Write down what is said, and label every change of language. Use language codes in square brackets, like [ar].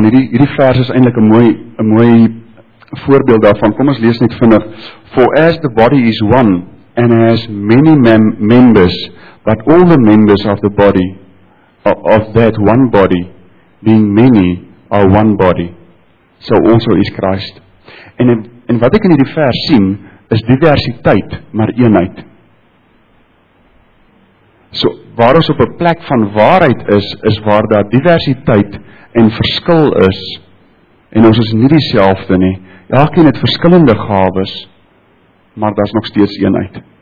[af] En hierdie vers is eintlik een mooi voorbeeld daarvan. Kom ons lees net vinnig. [en] For as the body is one and has many members, but all the members of the body, of that one body, being many, are one body, so also is Christ. [af] En wat ek in hierdie vers sien, is diversiteit, maar eenheid. So, waar ons op 'n plek van waarheid is, is waar daar diversiteit en verskil is, en ons is nie dieselfde nie. Elkeen het verskillende gawes, maar daar's nog steeds eenheid.